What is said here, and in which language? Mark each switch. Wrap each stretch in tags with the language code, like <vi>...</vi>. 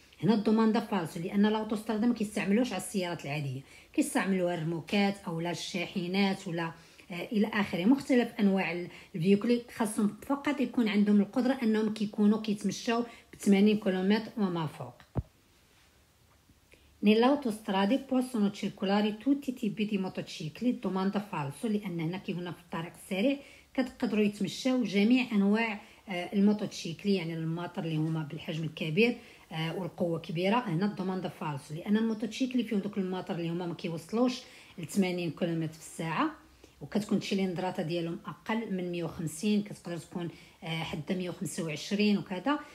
<ar>هنا الدوماندا فالسو، لان الاوتوستراد ما كيستعملوش على السيارات العاديه، كيستعملوها الرموكات او لا الشاحنات ولا الى اخره، مختلف انواع الفيكول خاصهم فقط يكون عندهم القدره انهم كيكونوا كيتمشاو ب 80 كيلومتر وما فوق.</ar> <it>ني الاوتوستراد possono circolare tutti i tipi di motocicli.</it> <ar>دوماندا فالسو، لان هنا كي هنا في الطريق السريع كتقدروا يتمشاو جميع انواع الموتوشيكلي، يعني الماطر اللي هما بالحجم الكبير والقوة كبيرة. هنا الدوماندا فالسو، لأن الموتوشيكلي فيهم دوك الماطر اللي هما ما كيوصلوش ل 80 كيلومتر في الساعة، وكتكون التشيلندراتا ديالهم أقل من 150، كتقدر تكون حدا 125 وكذا.</ar>